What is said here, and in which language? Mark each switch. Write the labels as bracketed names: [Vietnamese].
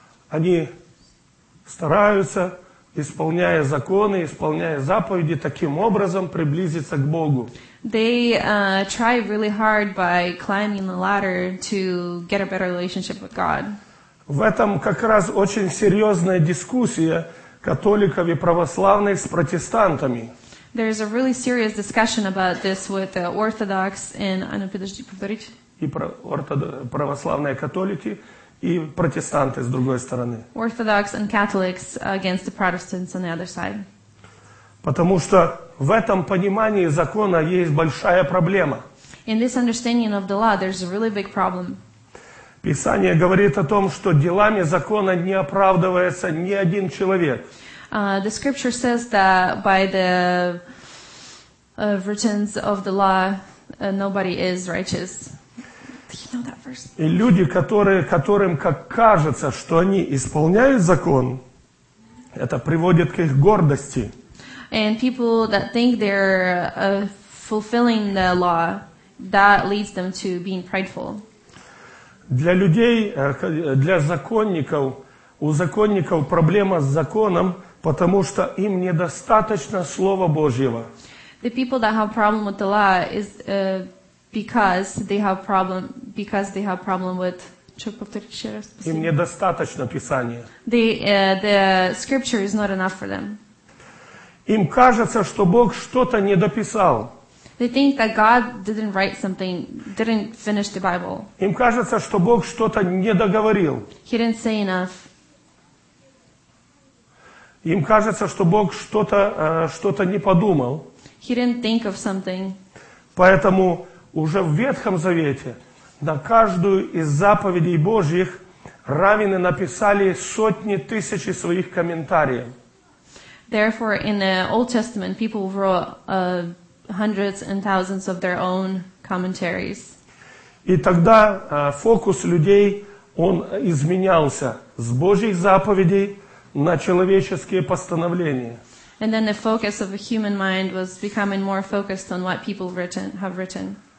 [Russian] Они стараются, исполняя законы, исполняя заповеди, таким образом приблизиться к Богу. [English] They try really hard by climbing the ladder to get a better relationship with God. [Russian] В этом как раз очень серьезная дискуссия католиков и православных с протестантами. [English] There is a really serious discussion about this with the Orthodox and [Russian] ну, подожди, поговорите. И православные католики и протестанты с другой стороны. [English] Orthodox and Catholics against the Protestants on the other side. [Russian] Потому что в этом понимании закона есть большая проблема. [English] In this understanding of the law, there's a really big problem. [Russian] Писание говорит о том, что делами закона не оправдывается ни один человек. [English] The scripture says that by the virtues of the law, nobody is righteous. You know that verse? [Russian] И люди, которым как кажется, что они исполняют закон, это приводит к их гордости. [English] And people that think they're fulfilling the law, that leads them to being prideful. [Russian] Для людей, для законников, у законников проблема с законом, потому что им недостаточно Слова Божьего. [English] The people that have problem with the law is because they have problem with... [Russian] Им недостаточно Писания. [English] The scripture is not enough for them. [Russian] Им кажется, что Бог что-то недописал. [English] They think that God didn't write something, didn't finish the Bible. [Russian] Им кажется, что Бог что-то не договорил. [English] He didn't say enough. [Russian] Им кажется, что Бог что-то не подумал. [English] He didn't think of something. [Russian] Поэтому уже в Ветхом Завете на каждую из заповедей Божьих раввины написали сотни тысяч своих комментариев. [English] Therefore, in the Old Testament, people wrote hundreds and thousands of their own commentaries. [Russian] И тогда фокус людей, он изменялся с Божьих заповедей на человеческие постановления. [English] And then the focus of a human mind was becoming more focused on what people have written.